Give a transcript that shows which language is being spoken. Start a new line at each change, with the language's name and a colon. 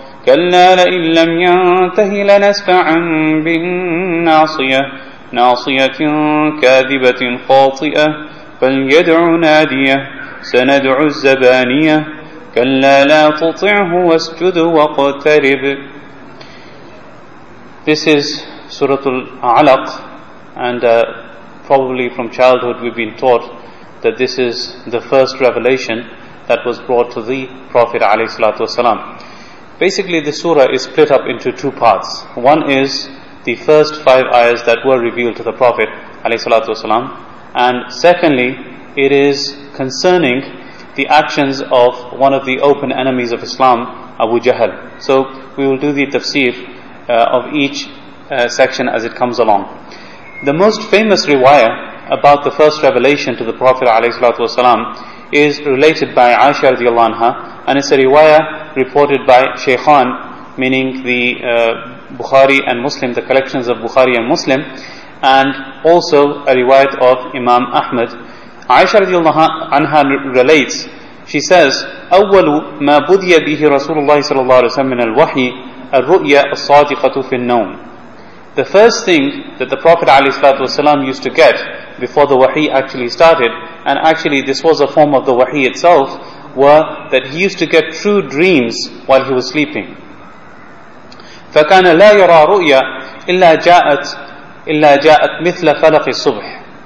Arabic: كلا لئن لم ينته لنسفعا بالناصية. ناصية كاذبة خاطئة فليدع نادية. سندع الزبانية. كلا لا تطعه واسجد واقترب.
English: This is Surah Al-Alaq, and probably from childhood we've been taught that this is the first revelation that was brought to the Prophet alayhi salatu wasalam. Basically, the surah is split up into two parts. One is the first five ayahs that were revealed to the Prophet alayhi salatu wasalam, and secondly, it is concerning the actions of one of the open enemies of Islam, Abu Jahl. So we will do the tafsir of each section as it comes along. The most famous riwayah about the first revelation to the Prophet ﷺ is related by Aisha radiallahu anha, and it's a riwayah reported by Shaykhan, meaning the Bukhari and Muslim, the collections of Bukhari and Muslim, and also a riwayat of Imam Ahmad. Aisha radiallahu anha relates, she says,
Arabic: أَوَّلُ مَا بُذِيَ بِهِ رَسُولُ اللَّهِ صَلَى اللَّهُ عَلَيْهِ وَسَلَّمِ مِنَ الْوَحِيِ الرُّؤْيَا الصَّادِقَةُ فِي النَّوْمِ.
English: The first thing that the Prophet ﷺ used to get before the wahi actually started, and actually this was a form of the wahi itself, were that he used to get true dreams while he was sleeping.
Arabic: فَكَانَ لَا يَرَى رُؤْيَا إِلَّا جَاءَتْ مِثْلَ فَلَقِ الصُّبْحِ.